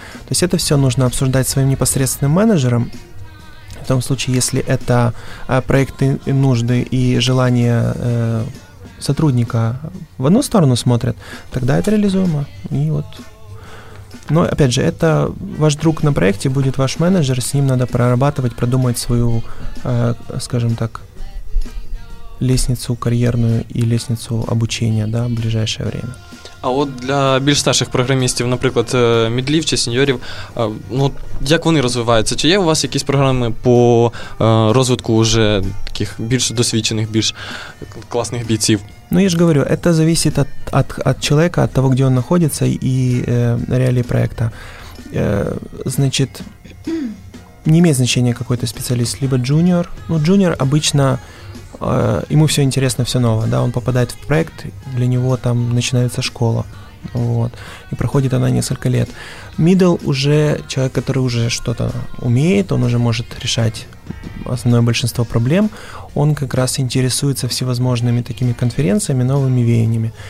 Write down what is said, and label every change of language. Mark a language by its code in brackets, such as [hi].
[ru] То есть это все нужно обсуждать своим непосредственным менеджером. В том случае, если это проекты, нужды и желания сотрудника в одну сторону смотрят, тогда это реализуемо. И вот. Но опять же, это ваш друг на проекте, будет ваш менеджер, с ним надо прорабатывать, продумать свою, скажем так, лестницу карьерную и лестницу обучения, да, в ближайшее время. [uk] А от для більш старших програмістів, наприклад, мідлів чи сеньорів, ну, як вони розвиваються? Чи є у вас якісь програми по розвитку вже таких більш досвідчених, більш класних бійців? Ну, я ж говорю, це залежить від чоловіка, від того, де він знаходиться, і реалії проєкту. Значить, не має значення якийсь спеціаліст, [ru] либо [uk] джуніор. [ru] Ну, джуніор, обычно... ему все интересно, все ново, да, он попадает в проект, для него там начинается школа, вот, и проходит она несколько лет. Middle уже человек, который уже что-то умеет, он уже может решать основное большинство проблем, он как раз интересуется всевозможными такими конференциями, новыми веяниями.